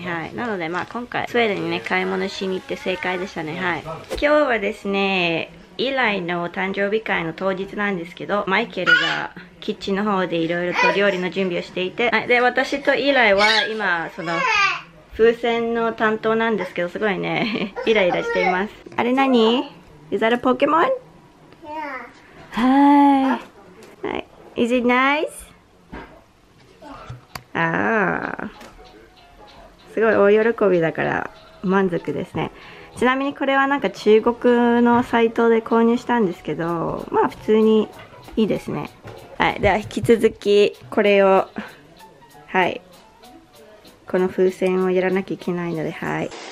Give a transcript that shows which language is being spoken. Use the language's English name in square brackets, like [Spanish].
[Japanese] はい、なのでまあ今回スウェーデンにね買い物しに行って正解でしたね。はい、今日はですね以来の誕生日会の当日なんですけど、マイケルがキッチンの方でいろいろと料理の準備をしていて、はい、で私と以来は今その風船の担当なんですけど、すごいねイライラしています。あれ何 [English] Is that a Pokemon? Yeah. はい、Is it nice? Ah. [Japanese] すごい大喜びだから満足ですね。ちなみにこれはなんか中国のサイトで購入したんですけど、まあ普通にいいですね。はい、では引き続きこれを、はい、この風船をやらなきゃいけないので、はい。